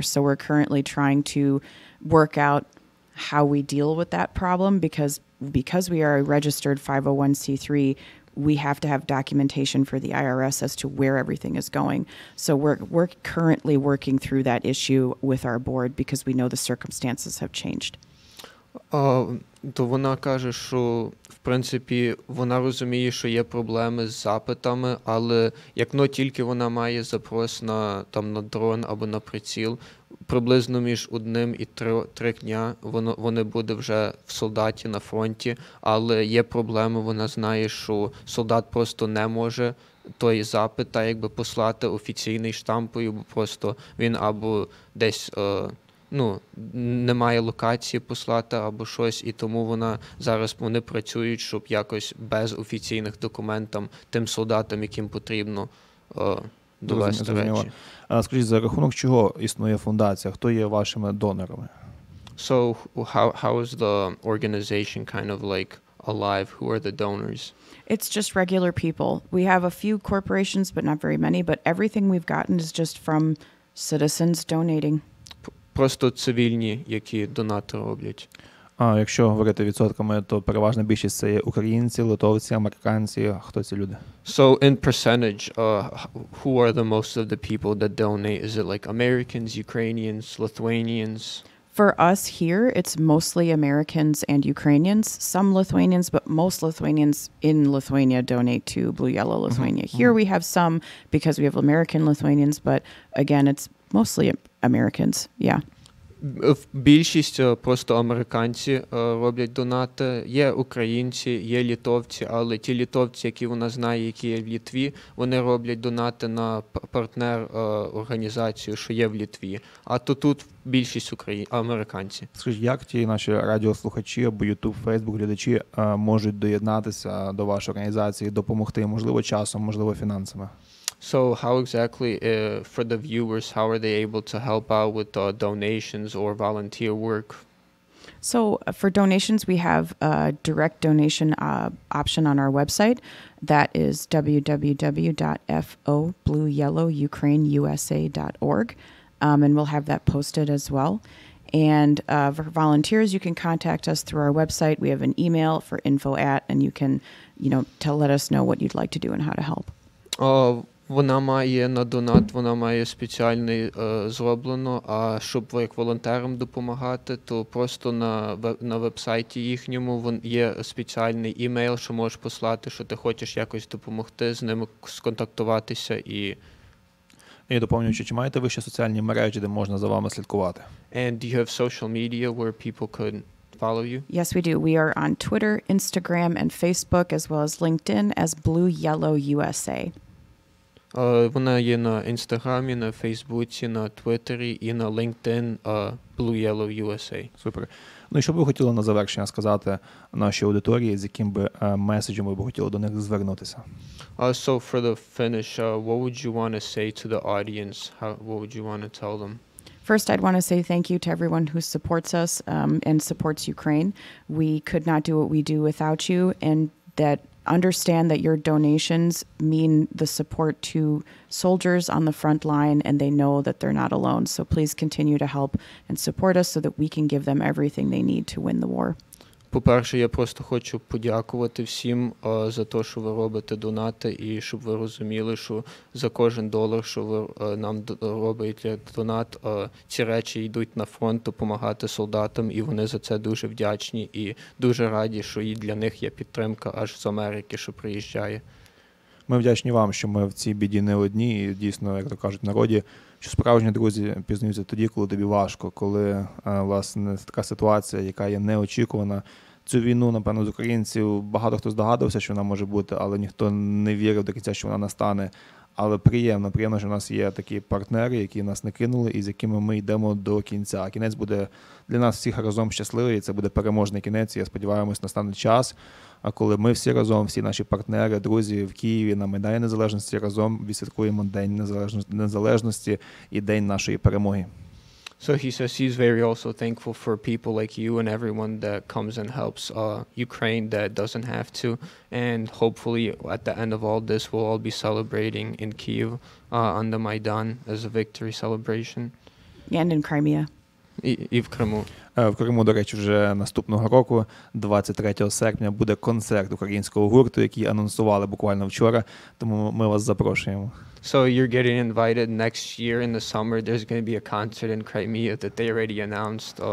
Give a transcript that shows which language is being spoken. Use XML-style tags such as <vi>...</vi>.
<en>So we're currently trying to work out how we deal with that problem because we are a registered 501c3, we have to have documentation for the IRS as to where everything is going. So we're currently working through that issue with our board because we know the circumstances have changed.</en> <uk>То вона каже, що, в принципі, вона розуміє, що є проблеми з запитами, але якщо тільки вона має запрос на дрон або на приціл, приблизно між одним і три дня вони будуть вже в солдаті на фронті, але є проблеми, вона знає, що солдат просто не може той запит та якби послати офіційний штампою, бо просто він або десь ну, немає локації послати або щось, і тому вона зараз вони працюють, щоб якось без офіційних документів тим солдатам, яким потрібно довести речі. Скажіть, за рахунок чого існує фундація? Хто є вашими донорами?</uk> <en>So how is the organization kind of like alive? Who are the donors? It's just regular people. We have a few corporations, but not very many, but everything we've gotten is just from citizens donating.</en> <uk>Просто цивільні, які донати роблять. А якщо говорити відсотками, то переважна більшість це є українці, литовці, американці, хто ці люди?</uk> <en>So in percentage, who are the most of the people that donate? Is it like Americans, Ukrainians, Lithuanians? For us here, it's mostly Americans and Ukrainians, some Lithuanians, but most Lithuanians in Lithuania donate to Blue Yellow Lithuania. Mm-hmm. Here we have some because we have American Lithuanians, but again, it's mostly Americans. Yeah.</en> <uk>Більшість просто американці роблять донати. Є українці, є литовці, але ті литовці, які вона знає, які є в Литві, вони роблять донати на партнер організацію, що є в Литві. А то тут більшість американці. Скажіть, як ті наші радіослухачі або ютуб, фейсбук глядачі можуть доєднатися до вашої організації, допомогти, можливо, часом, можливо, фінансами?</uk> <en>So how exactly, for the viewers, how are they able to help out with donations or volunteer work? So for donations, we have a direct donation option on our website. That is www.fobluyellowukraineusa.org. And we'll have that posted as well. And for volunteers, you can contact us through our website. We have an email for info@, and you can, you know, let us know what you'd like to do and how to help.</en> <uk>Вона має на донат, вона має спеціальний зроблено, а щоб як волонтерам допомагати, то просто на веб-сайті їхньому є спеціальний імейл, що можеш послати, що ти хочеш якось допомогти, з ними сконтактуватися і... І доповнюючи, чи маєте ви ще соціальні мережі, де можна за вами слідкувати?</uk> <en>And do you have social media where people could... follow you? Yes, we do. We are on Twitter, Instagram, and Facebook, as well as LinkedIn, as Blue Yellow USA.</en> <uk>Вона є на Інстаграмі, на Фейсбуці, на Твіттері і на LinkedIn, Blue Yellow USA. Супер. Ну, що б ви хотіли на завершення сказати нашій аудиторії, з яким би меседжем ви б хотіли до них звернутися?</uk> <en>So, for the finish, what would you want to say to the audience? What would you want to tell them? First, I'd want to say thank you to everyone who supports us and supports Ukraine. We could not do what we do without you, and that understand that your donations mean the support to soldiers on the front line, and they know that they're not alone. So please continue to help and support us so that we can give them everything they need to win the war.</en> <uk>По-перше, я просто хочу подякувати всім за те, що ви робите донати, і щоб ви розуміли, що за кожен долар, що ви нам робите донат, ці речі йдуть на фронт допомагати солдатам, і вони за це дуже вдячні і дуже раді, що і для них є підтримка аж з Америки, що приїжджає. Ми вдячні вам, що ми в цій біді не одні, і дійсно, як то кажуть в народі, що справжні друзі пізнаються тоді, коли тобі важко, коли, власне, така ситуація, яка є неочікувана. Цю війну, напевно, з українців багато хто здогадався, що вона може бути, але ніхто не вірив до кінця, що вона настане. Але приємно, приємно, що в нас є такі партнери, які нас не кинули і з якими ми йдемо до кінця. Кінець буде для нас всіх разом щасливий, і це буде переможний кінець. Я сподіваюся, настане час, коли ми всі разом, всі наші партнери, друзі в Києві на Майдані Незалежності разом відсвяткуємо День Незалежності і День нашої перемоги.</uk> <en>So he says he's very also thankful for people like you and everyone that comes and helps Ukraine that doesn't have to. And hopefully at the end of all this, we'll all be celebrating in Kyiv on the Maidan as a victory celebration. And in Crimea.</en> <uk>І в Криму. В Криму, до речі, вже наступного року, 23 серпня, буде концерт українського гурту, який анонсували буквально вчора. Тому ми вас запрошуємо.</uk> <en>So you're getting invited next year in the summer. There's going to be a concert in Crimea that they already announced.</en>